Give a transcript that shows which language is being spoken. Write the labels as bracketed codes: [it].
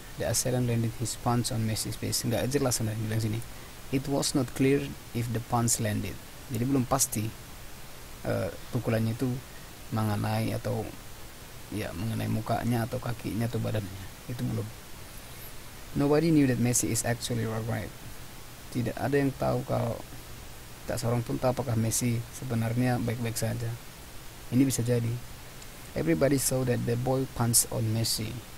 [en] The assailant landed his punch on Messi's face. [id] Enggak jelas sebenarnya bilang sini. [en] It was not clear if the punch landed. [id] Jadi belum pasti pukulannya itu mengenai atau ya mengenai mukanya atau kakinya atau badannya. Itu belum. [en] Nobody knew that Messi is actually right. [id] Tidak ada yang tahu kalau tak seorang pun tahu apakah Messi sebenarnya baik-baik saja. Ini bisa jadi. [en] Everybody saw that the boy punched on Messi.